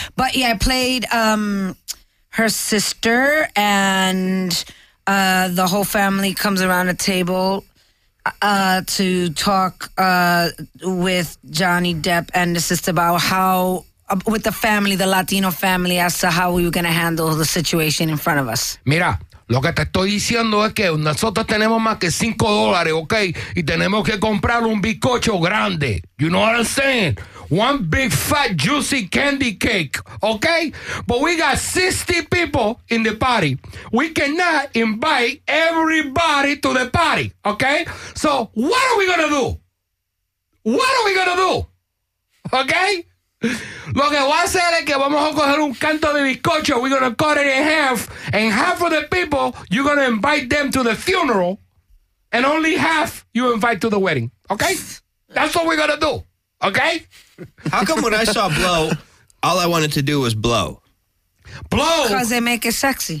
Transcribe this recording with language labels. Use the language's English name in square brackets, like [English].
[English] But yeah, I played her sister, and the whole family comes around a table to talk with Johnny Depp and his sister about how. With the family, the Latino family, as to how we were going to handle the situation in front of us. [Spanish] Mira, lo que te estoy diciendo es que nosotros tenemos más que $5, okay? Y tenemos que comprar un bizcocho grande. [English] You know what I'm saying? One big, fat, juicy candy cake, okay? But we got 60 people in the party. We cannot invite everybody to the party, okay? So what are we going to do? What are we going to do? Okay? [Spanish] Lo que va a hacer es que vamos a coger un canto de bizcocho. [English] We're going to cut it in half. And half of the people, you're going to invite them to the funeral. And only half you invite to the wedding. Okay? That's what we're going to do. Okay? How come when I saw Blow, all I wanted to do was Blow? Blow. Because they make it sexy.